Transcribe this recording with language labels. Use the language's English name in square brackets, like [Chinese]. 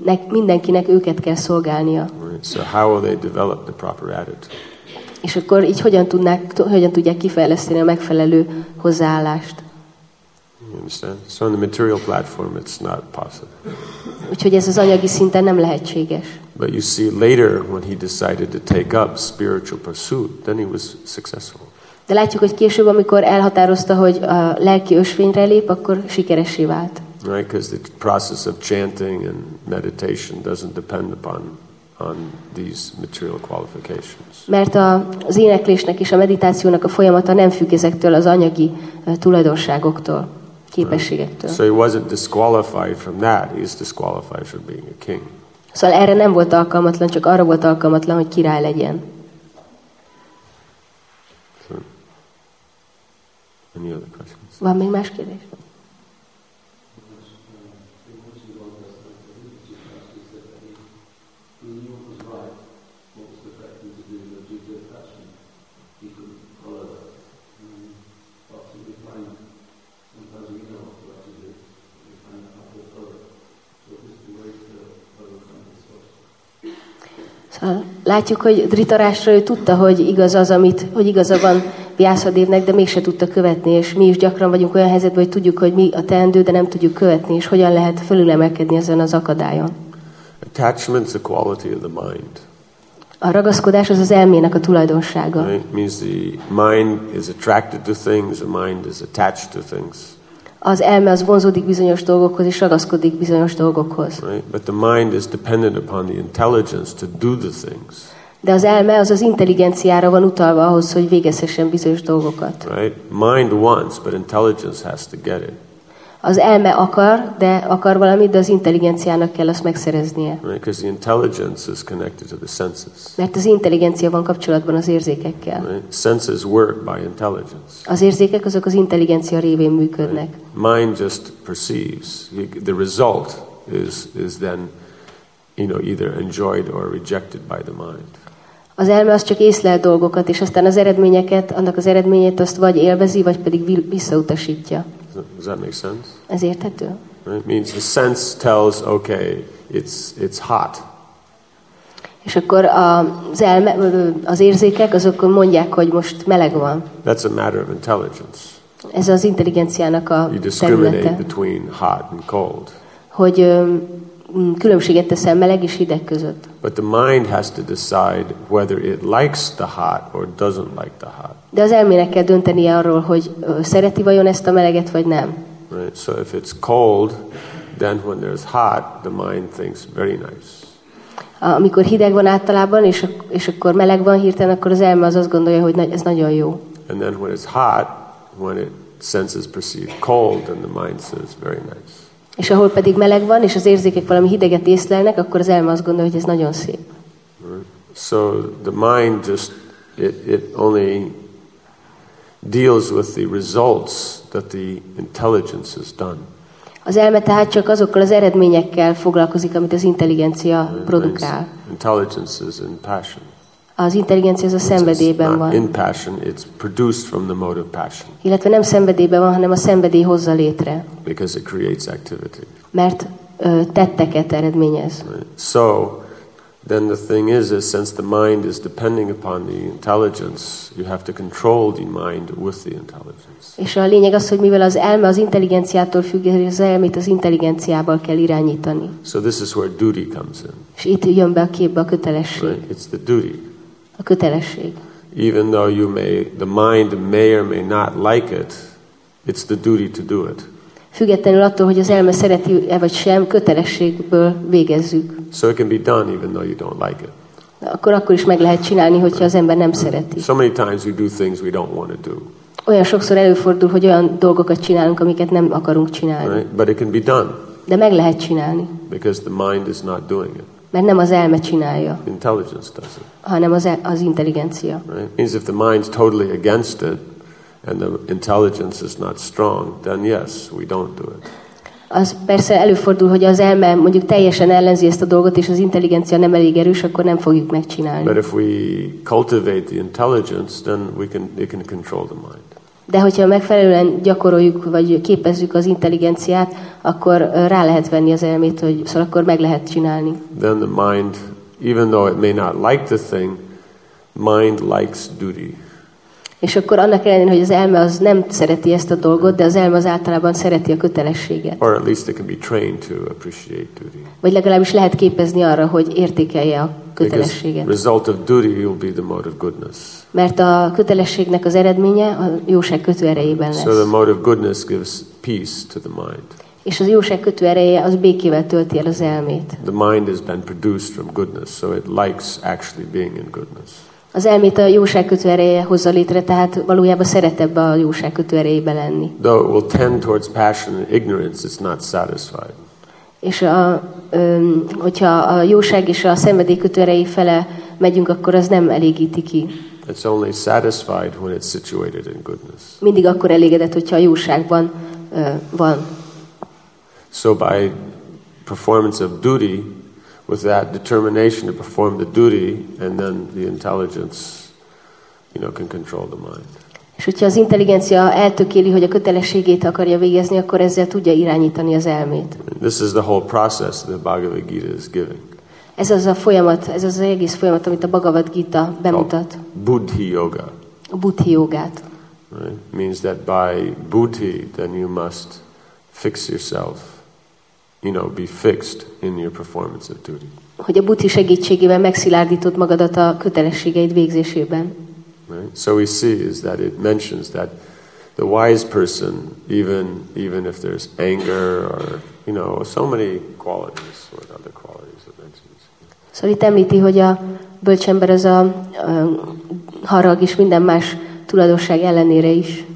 [Hungarian] Mindenkinek őket kell szolgálnia. [English] Right? So how will they develop the proper attitude? [Hungarian] És akkor így hogyan tudják kifejleszteni a megfelelő hozzáállást? [English] You understand? So on the material platform it's not possible. [Hungarian] Úgyhogy ez az anyagi szinten nem lehetséges. [English] But you see later when he decided to take up spiritual pursuit, then he was successful. [Hungarian] De látjuk, hogy később, amikor elhatározta, hogy a lelki ösvényre lép, akkor sikeressé vált. [English] Right, because the process of chanting and meditation doesn't depend upon these material qualifications. [Hungarian] Mert az éneklésnek és a meditációnak a folyamata nem függ ezektől az anyagi tulajdonságoktól, képességektől. [English] So he wasn't disqualified from that, he's disqualified from being a king. [Hungarian] Szóval erre nem volt alkalmatlan, csak arra volt alkalmatlan, hogy király legyen. [English] So, any other questions? [Hungarian] Van még más kérdés? Látjuk, hogy Dhritarashtra ő tudta, hogy igaz az, amit, hogy igaza van Vyászadévnek, de mégse tudta követni, és mi is gyakran vagyunk olyan helyzetben, hogy tudjuk, hogy mi a teendő, de nem tudjuk követni, és hogyan lehet fölülemelkedni ezen az akadályon. [English] Attachment's a quality of the mind. [Hungarian] A ragaszkodás az elmének a tulajdonsága. [English] Right? Means the mind is attracted to things, the mind is attached to things. [Hungarian] Az elme az vonzódik bizonyos dolgokhoz és ragaszkodik bizonyos dolgokhoz. [English] Right? But the mind is dependent upon the intelligence to do the things. [Hungarian] De az elme az intelligenciára van utalva ahhoz, hogy végezhessen bizonyos dolgokat. [English] Right? Mind wants, but intelligence has to get it. [Hungarian] Az elme akar valamit, de az intelligenciának kell azt megszereznie. [English] Right? Because the intelligence is connected to the senses. [Hungarian] Mert az intelligencia van kapcsolatban az érzékekkel. [English] Right? Senses work by intelligence. [Hungarian] Az érzékek azok az intelligencia révén működnek. [English] Right? Mind just perceives. The result is then, you know, either enjoyed or rejected by the mind. [Hungarian] Az elme az csak észlel dolgokat, és aztán az eredményeket, annak az eredményét azt vagy élvezi, vagy pedig visszautasítja. [English] Right? Does that make sense? [Hungarian] Ez érthető? [English] It means the sense tells, okay, it's hot. [Hungarian] És akkor az elme, az érzékek, azok mondják, hogy most meleg van. [English] That's a matter of intelligence. [Hungarian] Ez az intelligenciának a területe. [English] You discriminate between hot and cold. [Hungarian] Hogy különbséget teszel meleg és hideg között. [English] But the mind has to decide whether it likes the hot or doesn't like the hot. [Hungarian] De az elmének kell döntenie arról, hogy szereti vajon ezt a meleget vagy nem. [English] Right. So if it's cold, then when there's hot, the mind thinks very nice. [Hungarian] Amikor hideg van általában, és akkor meleg van hirtelen, akkor az elme az azt gondolja, hogy ez nagyon jó. [English] And then when it's hot, when it senses perceived cold, then the mind says very nice. [Hungarian] És ahol pedig meleg van, és az érzékek valami hideget észlelnek, akkor az elme azt gondolja, hogy ez nagyon szép. [English] So the mind just, it only deals with the results that the intelligence has done. [Hungarian] Az elme tehát csak azokkal az eredményekkel foglalkozik, amit az intelligencia produkál. [English] Intelligence is in passion. [Hungarian] Az intelligencia az a szenvedélyben van. [English] In passion, it's produced from the mode of passion. [Hungarian] Illetve nem szenvedélyben van, hanem a szenvedély hozza létre. [English] Because it creates activity. [Hungarian] Mert tetteket eredményez. [English] Right. So, then the thing is since the mind is depending upon the intelligence, you have to control the mind with the intelligence. [Hungarian] És a lényeg az, hogy mivel az elme az intelligenciától függ, az elmét az intelligenciával kell irányítani. [English] So this is where duty comes in. [Hungarian] És itt jön be a képbe a kötelesség. [English] Right. It's the duty. [Hungarian] A kötelesség. [English] Even though you may, the mind may or may not like it, it's the duty to do it. [Hungarian] Függetlenül attól, hogy az elme szereti-e vagy sem, kötelességből végezzük. [English] So it can be done even though you don't like it. [Hungarian] Akkor is meg lehet csinálni, hogyha az ember nem szereti. [English] So many times we do things we don't want to do. [Hungarian] Olyan sokszor előfordul, hogy olyan dolgokat csinálunk, amiket nem akarunk csinálni. [English] Right? But it can be done. [Hungarian] De meg lehet csinálni. [English] Because the mind is not doing it. [Hungarian] Mert nem az elme csinálja. [English] Intelligence does it. [Hungarian] Hanem az intelligencia. [English] Right? Means if the mind's totally against it, and the intelligence is not strong, then yes, we don't do it. [Hungarian] Az persze előfordul, hogy az elme mondjuk teljesen ellenzi ezt a dolgot, és az intelligencia nem elég erős, akkor nem fogjuk megcsinálni. [English] But if we cultivate the intelligence, then it can control the mind. [Hungarian] De hogyha megfelelően gyakoroljuk, vagy képezzük az intelligenciát, akkor rá lehet venni az elmét, hogy szóval akkor meg lehet csinálni. [English] Then the mind, even though it may not like the thing, mind likes duty. [Hungarian] És akkor annak ellenére, hogy az elme az nem szereti ezt a dolgot, de az elme az általában szereti a kötelességet. [English] Or at least it can be trained to appreciate duty. [Hungarian] Vagy legalábbis lehet képezni arra, hogy értékelje a kötelességet. [English] Because result of duty will be the mode of goodness. [Hungarian] Mert a kötelességnek az eredménye a jóság kötő erejében lesz. [English] So the mode of goodness gives peace to the mind. [Hungarian] És az jóság kötő ereje az békével tölti el az elmét. [English] The mind has been produced from goodness, so it likes actually being in goodness. [Hungarian] Az elmét a jóság kötő ereje hozza létre, tehát valójában szeret ebbe a jóság kötő erejébe lenni. [English] Though it will tend towards passion and ignorance, it's not satisfied. [Hungarian] És hogyha a jóság és a szenvedély kötő erejé fele megyünk, akkor az nem elégíti ki. [English] It's only satisfied when it's situated in goodness. [Hungarian] Mindig akkor elégedett, hogyha a jóságban van. [English] So by performance of duty, with that determination to perform the duty, and then the intelligence, you know, can control the mind. [Hungarian] És hogyha az intelligencia eltökéli, hogy a kötelességét akarja végezni, akkor ezzel tudja irányítani az elmét. [English] This is the whole process that the Bhagavad Gita is giving. [Hungarian] Ez az a folyamat, ez az egész folyamat, amit a Bhagavad Gita bemutat. [English] Buddhi yoga. [Hungarian] A buddhi jogát. [English] Right? Means that by buddhi, then you must fix yourself. You know, be fixed in your performance of duty. [Hungarian] Hogy a buddhi segítségével megszilárdítod magadat a kötelességeid végzésében. [English] Right? So we see is that it mentions that the wise person, even if there's anger or, you know, so many qualities or other qualities it mentions. [Hungarian] Szóval itt említi, hogy a bölcs ember az a harag és minden más tulajdonság ellenére is.